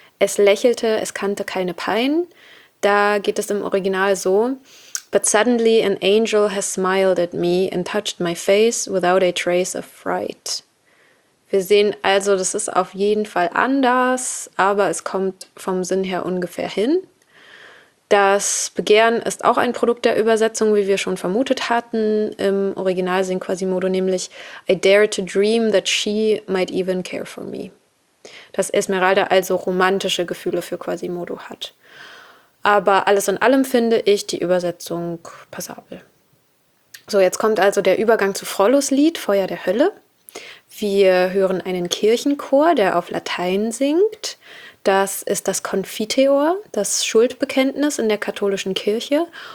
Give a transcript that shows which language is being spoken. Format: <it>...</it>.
<de>Es lächelte, es kannte keine Pein. Da geht es im Original so:</de> <en>But suddenly an angel has smiled at me and touched my face without a trace of fright.</en> <de>Wir sehen also, das ist auf jeden Fall anders, aber es kommt vom Sinn her ungefähr hin. Das Begehren ist auch ein Produkt der Übersetzung, wie wir schon vermutet hatten. Im Original singt Quasimodo nämlich:</de> <en>I dare to dream that she might even care for me.</en> <de>Dass Esmeralda also romantische Gefühle für Quasimodo hat. Aber alles in allem finde ich die Übersetzung passabel. So, jetzt kommt also der Übergang zu Frollos Lied Feuer der Hölle. Wir hören einen Kirchenchor, der auf Latein singt. Das ist das Confiteor, das Schuldbekenntnis in der katholischen Kirche.</de>